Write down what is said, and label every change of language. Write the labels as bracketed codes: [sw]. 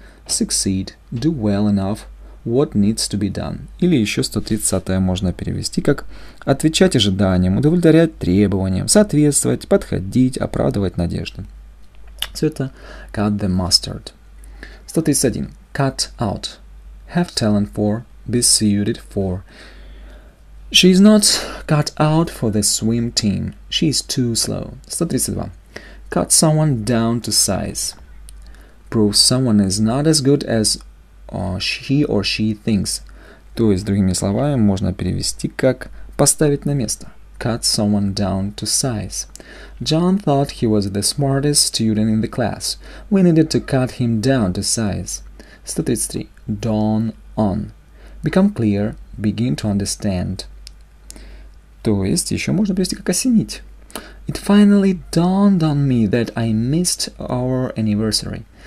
[en] Succeed, do well enough, what needs to be done. [ru] Или еще 130-е можно перевести как отвечать ожиданиям, удовлетворять требованиям, соответствовать, подходить, оправдывать надежды. Все это [en] cut the mustard. 131. Cut out. Have talent for, be suited for. She is not cut out for the swim team. She is too slow. 132. Cut someone down to size. Prove someone is not as good as he or she thinks. [ru] То есть, другими словами, можно перевести как поставить на место. [en] Cut someone down to size. John thought he was the smartest student in the class. We needed to cut him down to size. 133. Dawn on. Become clear. Begin to understand. [ru] То есть, еще можно перевести как осенить. [en] It finally dawned on me that I missed our anniversary.